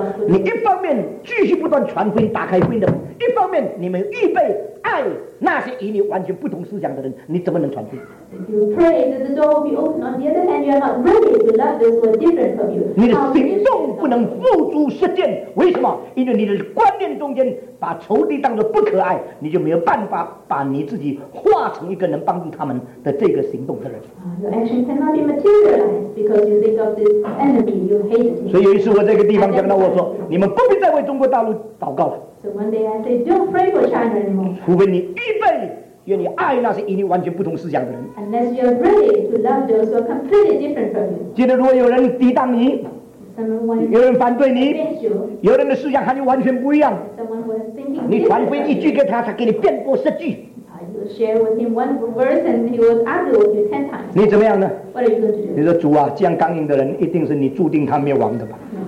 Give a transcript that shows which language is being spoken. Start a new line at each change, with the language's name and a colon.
Chinese: 你一方面继续不断传福音，打开福音的门；一方面你们预备爱那些与你完全不同思想的人，你怎么能传福音？
English: If you pray that the door will be open, on the other hand, you are not ready to love those who are different from you.
Chinese: 你的行动不能付诸实践，为什么？因为你的观念中间把仇敌当作不可爱，你就没有办法把你自己化成一个能帮助他们的这个行动的人。
English: Your action cannot be materialized because you think of this enemy you hate.
Chinese: 所以有一次我在一个地方讲到，我说你们不必再为中国大陆祷告了。
English: So one day I say, don't pray for China anymore.
Chinese: 除非你预备愿意爱那些与你完全不同思想的人。
English: Unless you are ready to love those who are completely different from you.
Chinese: 今天如果有人抵挡你，
English: someone
Chinese: 有人反对你，
English: you,
Chinese: 有人的思想和你完全不一样，
English: someone who is thinking
Chinese: 你传回一句给他，他给你辩驳十句。
English: You share with him one verse and he was asked with you 10 times.
Chinese: 你怎么样呢?
English: What are you going to do?
Chinese: 你说, 主啊, 这样刚硬的人, 一定是你注定他灭亡的吧?